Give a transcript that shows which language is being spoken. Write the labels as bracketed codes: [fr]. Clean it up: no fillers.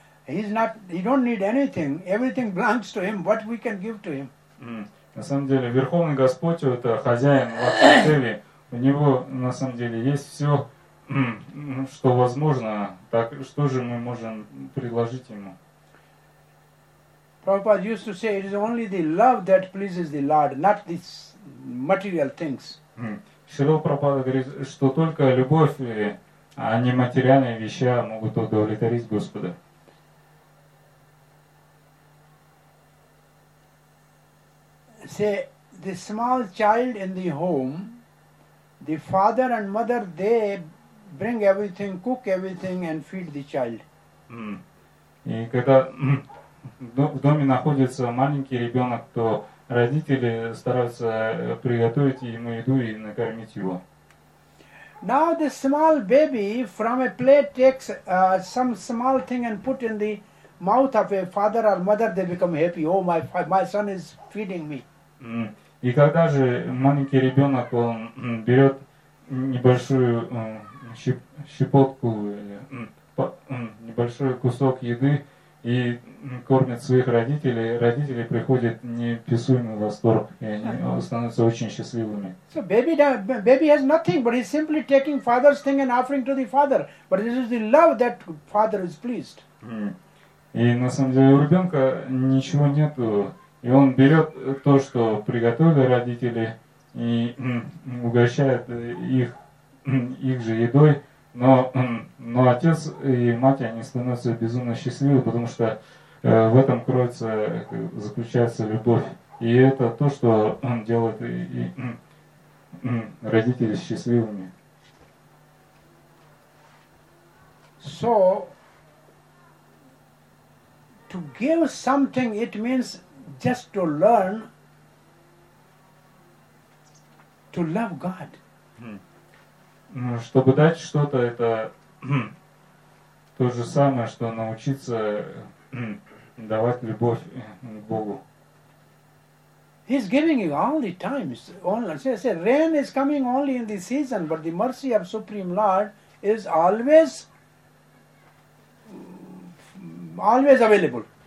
[en] He don't need anything. Everything belongs to him. What we can give to him? [ru] На самом деле, Верховный Господь – это хозяин в отеле. У него, на самом деле, есть все, что возможно. Так что же мы можем предложить ему? [en] Prabhupada used to say, it is only the love that pleases the Lord, not these material things. [ru] Шрила Прабхупада говорит, что только любовь, а не материальные вещи могут удовлетворить Господа. [en] Say, the small child in the home, the father and mother, they bring everything, cook everything and feed the child. [ru] И когда в доме находится маленький ребенок, то родители стараются приготовить ему еду и накормить его. [en] Now the small baby from a plate takes some small thing and put in the mouth of a father or mother, they become happy. Oh, my son is feeding me. [ru] И когда же маленький ребенок он берет небольшую щепотку или небольшой кусок еды и кормит своих родителей, родители приходят неописуемый восторг, и они становятся очень счастливыми. [en] So baby has nothing, but he's simply taking father's thing and offering to the father. But this is the love that father is pleased. [ru] И на самом деле у ребенка ничего нету. И он берет то, что приготовили родители, и угощает их же едой, но отец и мать, они становятся безумно счастливы, потому что в этом кроется, заключается любовь. И это то, что он делает и родители счастливыми. [en] So, to give something, it means just to learn to love God. [ru] Чтобы дать что-то, это то же самое, что научиться давать любовь к Богу. [en] He's giving you all the time. Say, rain is coming only in the season, but the mercy of Supreme Lord is always available.